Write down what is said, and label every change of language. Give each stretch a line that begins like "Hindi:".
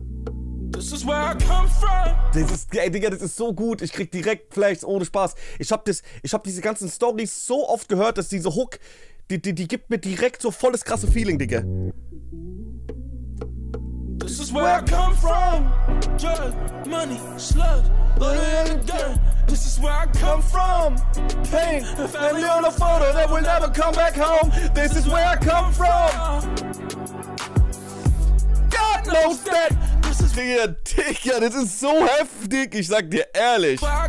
German: Das ist, ey Digga, das ist so gut. Ich krieg direkt Flashs, ohne Spaß. Ich hab diese ganzen Stories so oft gehört, dass diese Hook, die gibt mir direkt so volles krasse Feeling, Digga.
English: This is where I come from. Drug, money, slut, loyal again. This is where I come from. Pain, family on a photo that will never come back home. This is where I come from. God knows that.
German: Digga, das ist so heftig, ich sag dir ehrlich.